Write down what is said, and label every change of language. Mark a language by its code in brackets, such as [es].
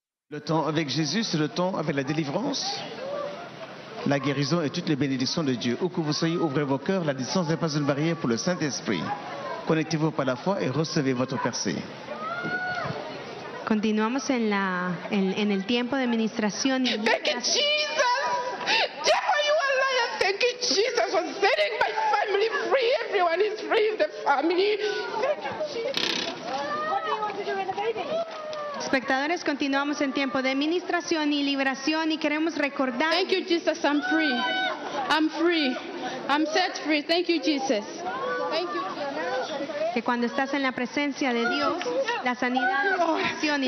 [fr] Le temps avec Jésus, c'est le temps avec la délivrance, la guérison et toutes les bénédictions de Dieu. Où que vous soyez, ouvrez vos cœurs. La distance n'est pas une barrière pour le Saint-Esprit. Connectez-vous par la foi et recevez votre percée. [es] Continuamos en la en el tiempo de administración. [en] Thank you, Jesus. Devil, you are liar. Thank you, Jesus, for setting my family free. Everyone is free in the family. Thank you, Jesus. What do you want to do with the baby? [es] Espectadores, continuamos en tiempo de administración y liberación y queremos recordar. [en] Thank you, Jesus. I'm free. I'm free. I'm set free. Thank you, Jesus. Thank you. [es] Que cuando estás en la presencia de Dios, la sanidad, la salvación y